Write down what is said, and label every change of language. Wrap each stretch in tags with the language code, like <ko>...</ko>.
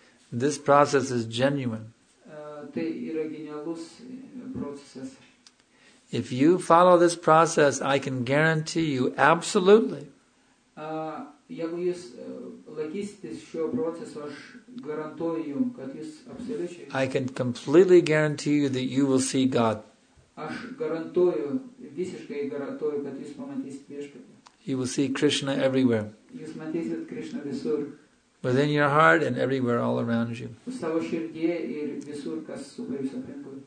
<en>This process is genuine. If you follow this process, I can guarantee you absolutely.</en> <lt>Jeigu jūs laikysitės šio proceso, aš garantuoju jum, kad jūs absoliučiai.</lt> <en>I can completely guarantee you that you will see God.</en> <lt>Aš garantuoju, visiškai garantuoju, kad jūs pamatysite Viešpatį.</lt> <en>You will see Krishna everywhere.</en> <lt>Jūs matysite Krishna visur.</lt> <en>Within your heart and everywhere all around you.</en> <lt>Savo širdyje ir visur, kas supa jūsų aplinkui.</lt>